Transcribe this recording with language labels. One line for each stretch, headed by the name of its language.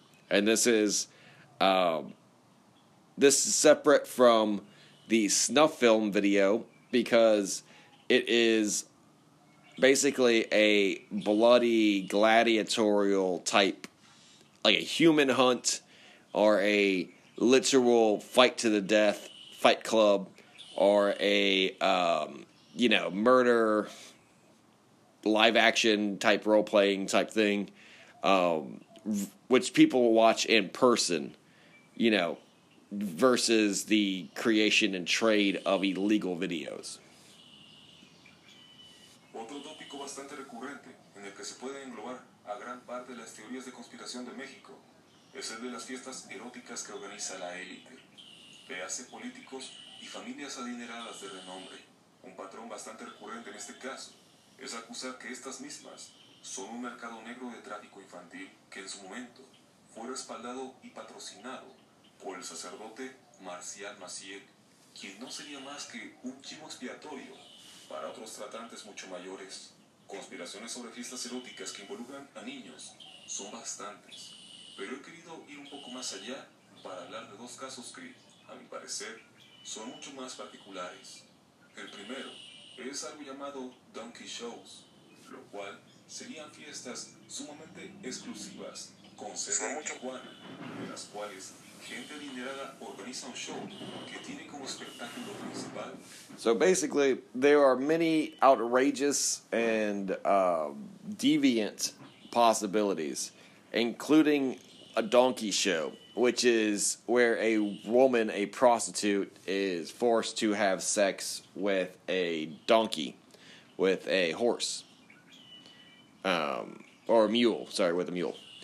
English: And this is separate from the snuff film video, because it is basically a bloody gladiatorial type, like a human hunt or a literal fight to the death, fight club, or a murder live action type role playing type thing, which people watch in person, you know, versus the creation and trade of illegal videos.
Spanish: Otro tópico bastante recurrente en el que se pueden englobar a gran parte de las teorías de conspiración de México es el de las fiestas eróticas que organiza la élite. Ve hace políticos y familias adineradas de renombre. Un patrón bastante recurrente en este caso es acusar que estas mismas son un mercado negro de tráfico infantil que en su momento fue respaldado y patrocinado por el sacerdote Marcial Maciel, quien no sería más que un chivo expiatorio para otros tratantes mucho mayores. Conspiraciones sobre fiestas eróticas que involucran a niños son bastantes, pero he querido ir un poco más allá para hablar de dos casos que, a mi parecer, son mucho más particulares. El primero es algo llamado Donkey Shows, lo cual serían fiestas sumamente exclusivas, con sede en Tijuana, de las cuales gente adinerada organiza un show que tiene como espectáculo principal.
English: So basically, there are many outrageous and deviant possibilities, including a donkey show, which is where a woman, a prostitute, is forced to have sex with a donkey, with a horse, or a mule, sorry, with a mule.